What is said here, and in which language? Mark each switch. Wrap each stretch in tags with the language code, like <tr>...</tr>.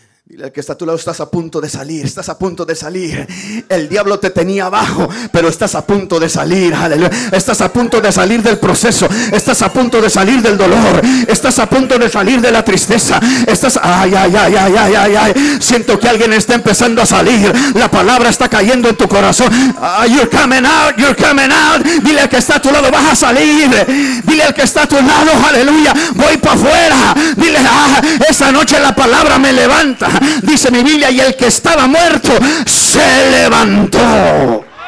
<es>Dile al que está a tu lado: estás a punto de salir, estás a punto de salir. El diablo te tenía abajo, pero estás a punto de salir. Aleluya. Estás a punto de salir del proceso, estás a punto de salir del dolor, estás a punto de salir de la tristeza. Estás... ay, ay, ay, ay, ay, ay, ay. Siento que alguien está empezando a salir. La palabra está cayendo en tu corazón.</es> <en>You're coming out, you're coming out.</en> <es>Dile al que está a tu lado: vas a salir. Dile al que está a tu lado: aleluya, voy para afuera. Dile: esa noche la palabra me levanta. Dice mi Biblia: y el que estaba muerto se levantó.</es>